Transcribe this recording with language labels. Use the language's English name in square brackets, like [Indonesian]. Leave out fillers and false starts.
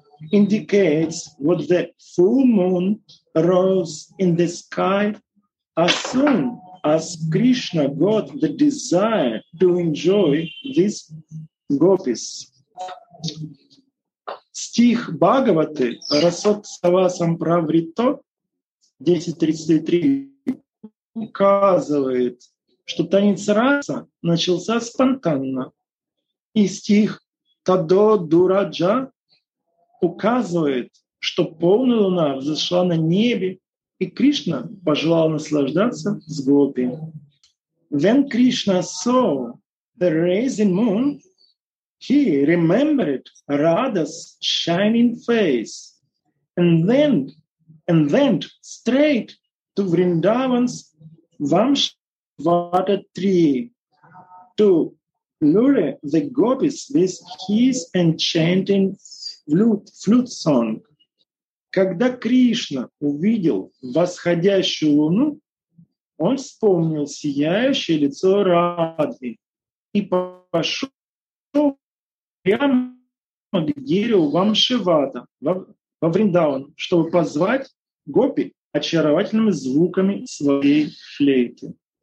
[English] indicates what the full moon rose in the sky as soon as Krishna got the desire to enjoy these gopis. [Russian] Стих Бхагаваты Расотсава Самправрито 10.33 указывает, что танец раса начался спонтанно. И стих Тадо Дураджа указывает, что полная луна взошла на небе, и Кришна пожелал наслаждаться с гопи. [English] When Krishna saw the rising moon, he remembered Radha's shining face and then straight to Vrindavan's Vamshvata tree to lure the gopis with his enchanting flute song. [Russian] Когда Кришна увидел восходящую луну, он вспомнил сияющее лицо Радхи и пошел прямо к дереву Вамшивата во Вриндаван, чтобы позвать гопи очаровательными звуками своей флейты.